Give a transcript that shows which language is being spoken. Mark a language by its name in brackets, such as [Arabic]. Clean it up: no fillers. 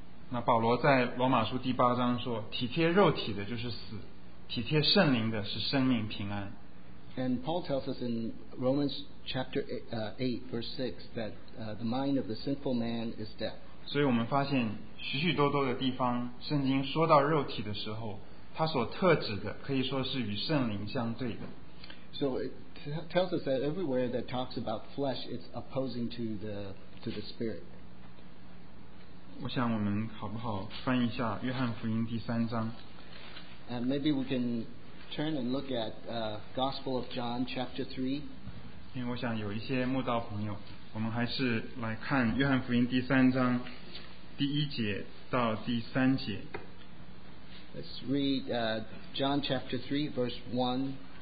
[Chinese] 那保罗在罗马书第八章说，体贴肉体的就是死，体贴圣灵的是生命平安。 [English] And Paul tells us in Romans chapter 8 verse 6 that the mind of the sinful man is death. [Chinese] 所以我们发现许许多多的地方，圣经说到肉体的时候，它所特指的可以说是与圣灵相对的。 [English] So it tells us that everywhere that talks about flesh, it's opposing to the spirit. [Chinese] 我想我们好不好翻一下约翰福音第三章。 [English] And maybe we can turn and look at Gospel of John chapter 3. [Chinese] 因为我想有一些慕道朋友，我们还是来看约翰福音第三章第一节到第三节。 [English] Let's read John chapter 3 verse 1